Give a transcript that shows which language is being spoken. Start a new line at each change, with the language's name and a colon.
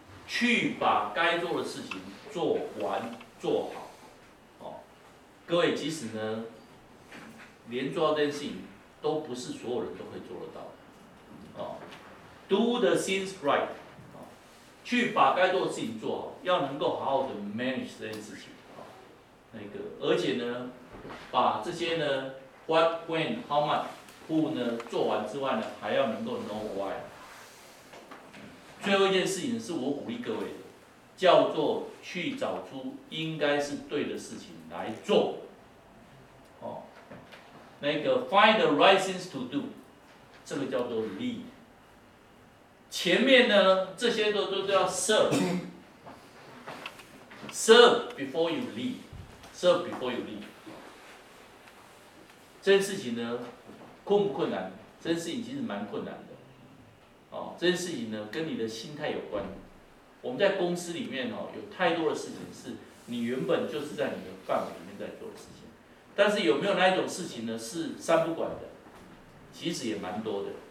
Chinese: 去把该做的事情做完做好，各位，即使呢，连做到这件事情都不是所有人都会做得到的，
English: Do the things right，
Chinese: 去把该做的事情做好，要能够好好的 manage 这件事情，那个，而且呢，把这些呢 ，what when how much who 呢做完之外呢，还要能够 know why。最后一件事情是我鼓励各位的，叫做去找出应该是对的事情来做，那个
English: find the right things to do，
Chinese: 这个叫做 lead。前面呢这些都叫 serve，
English: serve before you lead，
Chinese: serve before you lead。这件事情呢困不困难？这件事情其实蛮困难的，这件事情呢跟你的心态有关。我们在公司里面，有太多的事情是你原本就是在你的范围里面在做的事情，但是有没有那一种事情呢是三不管的？其实也蛮多的。